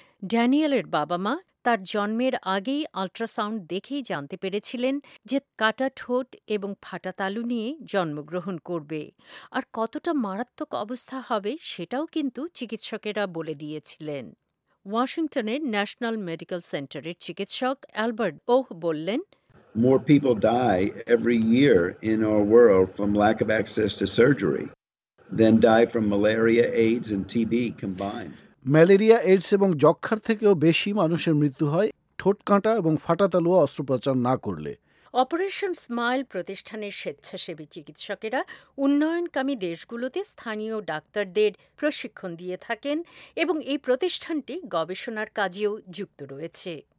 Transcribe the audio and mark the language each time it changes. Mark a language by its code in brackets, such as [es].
[bn] ড্যানিয়েলের বাবা মা তার জন্মের আগেই আল্ট্রাসাউন্ড দেখেই জানতে পেরেছিলেন যে কাটা ঠোঁট এবং ফাটা তালু নিয়ে জন্মগ্রহণ করবে, আর কতটা মারাত্মক অবস্থা হবে সেটাও কিন্তু চিকিৎসকেরা বলে দিয়েছিলেন। ওয়াশিংটনের ন্যাশনাল মেডিকেল সেন্টারের চিকিৎসক অ্যালবার্ট ওহ বললেন, [en] More people die every year in our world from lack of access to surgery than die from malaria, AIDS and TB combined. [bn] Malaria, AIDS এবং যক্ষ্মার থেকেও বেশি মানুষের মৃত্যু হয় ঠোঁট কাঁটা এবং ফাটা তালু অস্ত্রোপচার না করলে। অপারেশন স্মাইল প্রতিষ্ঠানের স্বেচ্ছাসেবী চিকিৎসকেরা উন্নয়নকামী দেশগুলোতে স্থানীয় ডাক্তারদের প্রশিক্ষণ দিয়ে থাকেন এবং এই প্রতিষ্ঠানটি গবেষণার কাজেও যুক্ত রয়েছে।